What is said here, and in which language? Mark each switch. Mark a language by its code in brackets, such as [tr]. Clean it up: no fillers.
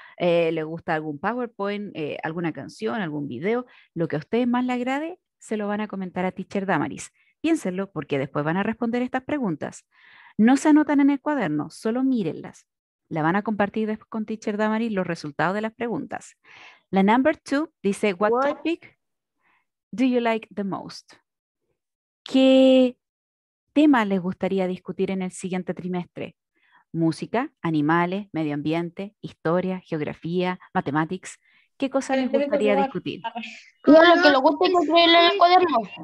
[es] ¿Les gusta algún PowerPoint, alguna canción, algún video? Lo que a ustedes más les agrade, se lo van a comentar a Teacher Damaris. Piénsenlo, porque después van a responder estas preguntas. No se anotan en el cuaderno, solo mírenlas. La van a compartir después con Teacher Damaris los resultados de las preguntas. La [en] number two [es] dice, [en] what topic do you like the most? [es] ¿Qué tema les gustaría discutir en el siguiente trimestre? Música, animales, medio ambiente, historia, geografía, matemáticas. ¿Qué cosa les gustaría discutir? Yo lo que le gusta es construir en el cuaderno.